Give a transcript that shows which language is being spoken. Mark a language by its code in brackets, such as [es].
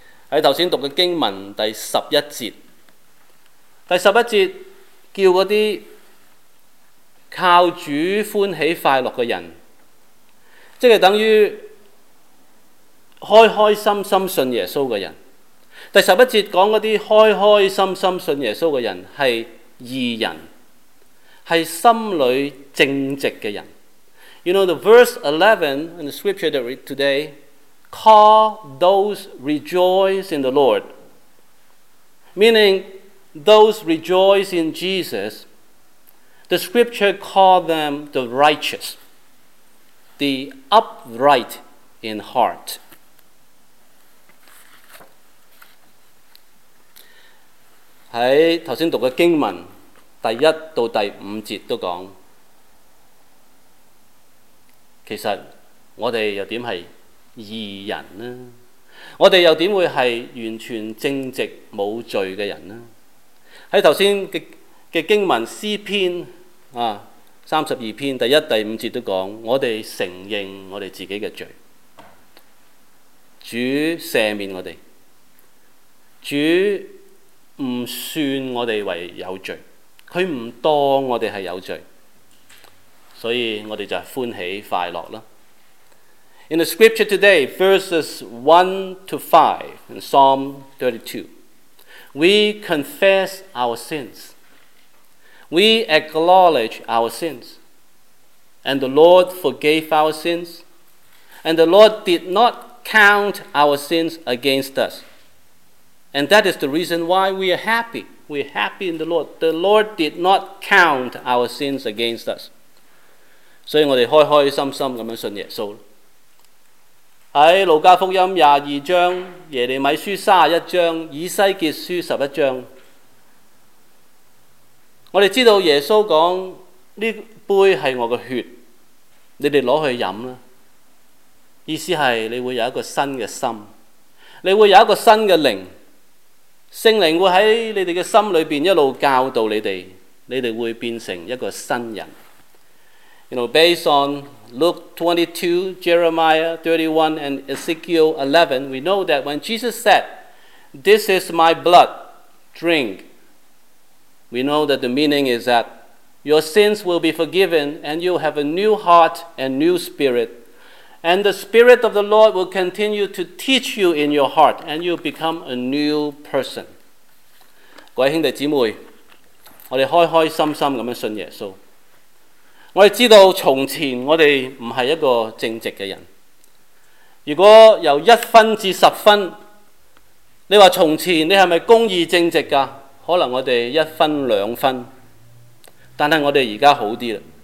[zh] 在剛才讀的經文第十一節，第十一節叫那些靠主歡喜快樂的人，即是等於開開心心信耶穌的人。第十一節說那些開開心心信耶穌的人是義人，是心裡正直的人。 [en] You know the verse 11 in the scripture that we read today, call those rejoice in the Lord, meaning those rejoice in Jesus, the scripture call them the righteous, the upright in heart. [zh] 在剛才讀的經文第一到第五節都講，其實我們又怎是義人呢？我們又怎會是完全正直無罪的人呢？在剛才 的經文詩篇32篇第一第五節都講，我們承認我們自己的罪，主赦免我們，主不算我們為有罪，他不當我們是有罪，所以我們就是歡喜快樂了。 [en] In the scripture today, verses 1 to 5 in Psalm 32, we confess our sins, we acknowledge our sins, and the Lord forgave our sins, and the Lord did not count our sins against us. And that is the reason why we are happy. We're happy in the Lord. The Lord did not count our sins against us. [zh] 所以我們開開心心地信耶穌。在路加福音22章、耶利米書31章、以西結書11章，我們知道耶穌說，這杯是我的血，你們拿去喝吧。意思是你會有一個新的心，你會有一個新的靈，聖靈會在你們的心裏面一路教導你們，你們會變成一個新人。 [en] You know, based on Luke 22, Jeremiah 31 and Ezekiel 11, we know that when Jesus said, "This is my blood, drink," we know that the meaning is that your sins will be forgiven and you'll have a new heart and new spirit, and the Spirit of the Lord will continue to teach you in your heart and you'll become a new person. [zh] 各位兄弟姊妹，我們開開心心地信耶穌，我們知道從前我們不是一個正直的人。如果由一分至十分，你說從前你是不是公義正直的，可能我們一分兩分，但是我們現在好一點了。